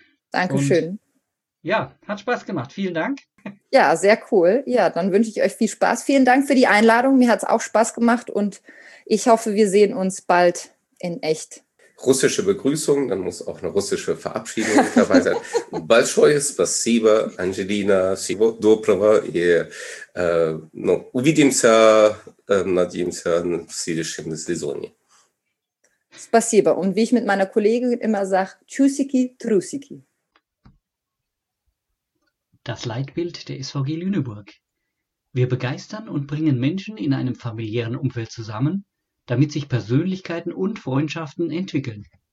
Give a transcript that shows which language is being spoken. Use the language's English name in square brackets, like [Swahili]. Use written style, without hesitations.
[German] Dankeschön. Und ja, hat Spaß gemacht. Vielen Dank. Ja, sehr cool. Ja, dann wünsche ich euch viel Spaß. Vielen Dank für die Einladung. Mir hat es auch Spaß gemacht und ich hoffe, wir sehen uns bald in echt. Russische Begrüßung, dann muss auch eine russische Verabschiedung dabei sein. [Russian] Большое спасибо, Angelina, всего доброго и увидимся, надеемся, в следующем сезоне. Спасибо. [German] Und wie ich mit meiner Kollegin immer sage, tschüssiki, trusiki. Das Leitbild der SVG Lüneburg. Wir begeistern und bringen Menschen in einem familiären Umfeld zusammen, damit sich Persönlichkeiten und Freundschaften entwickeln.